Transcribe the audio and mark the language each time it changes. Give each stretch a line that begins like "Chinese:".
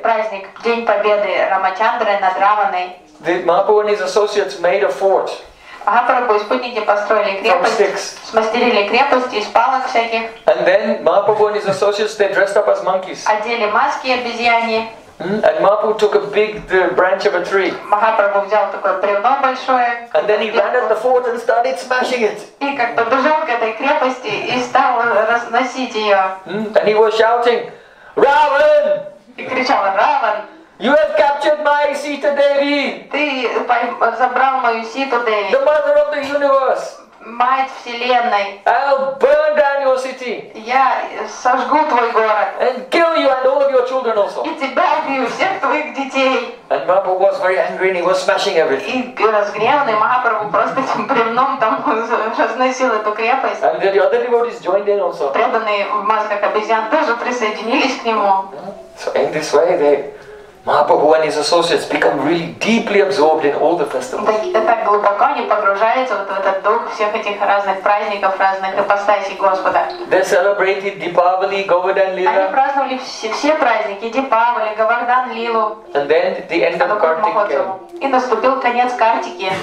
Russian: Праздник, день победы Рамачандры над Раваной.
English: The Mahaprabhu and his associates made a fort.
Russian: Махапрабху и спутники построили крепость, смастерили крепость из палок всяких.
English: And then Mahaprabhu and his associates, they dressed up as monkeys.
Russian: Одели маски обезьяньи.
English: And Mahaprabhu took the branch of a tree.
Russian: Махапрабху взял такое бревно большое.
English: And then he ran at the fort and started smashing it.
Russian: И как подбежал к этой крепости и стал разносить ее.
English: And he was shouting, Ravan!
Russian: И кричал, Раван!
English: You have captured my Sita Devi!
Russian: Ты забрал мою Ситу Деви.
English: The mother of the universe!
Russian: Мать вселенной.
English: I'll burn down your city.
Russian: Я сожгу твой город.
English: And kill you and all of your children also.
Russian: И тебя убью, всех твоих детей.
English: And Mahaprabhu was very angry and he was smashing everything.
Russian: И разгневанный Махапрабху просто этим бревном там разносил эту крепость.
English: And the other devotees joined in also.
Russian: Преданные в масках обезьян тоже присоединились к нему.
English: So in this way they. Mahaprabhu and his associates become really deeply absorbed in all the festivals.
Russian: Так глубоко они погружаются вот в этот дух всех этих разных праздников, разных ипостасей Господа.
English: They celebrated Deepavali, Govardhan Lila.
Russian: Они праздновали все праздники, Deepavali, Govardhan Lilu.
English: And then the end of Kartik came.
Russian: И наступил конец Картики.